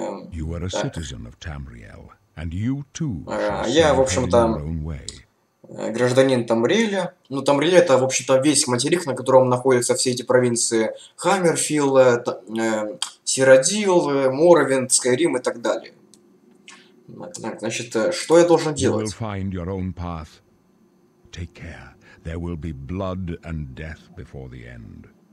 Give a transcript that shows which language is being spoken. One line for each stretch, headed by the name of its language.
English: You are a citizen of Tamriel, and you too.
Russian: Я, в общем-то, гражданин Тамриэля. Ну, Тамриэль — это, в общем-то, весь материк, на котором находятся все эти провинции: Хаммерфилл, Сирадил, Морровинд, Скайрим и так далее. Так, значит, что я должен делать?
English: You will find your own path. Take care. There will be blood and death before the end.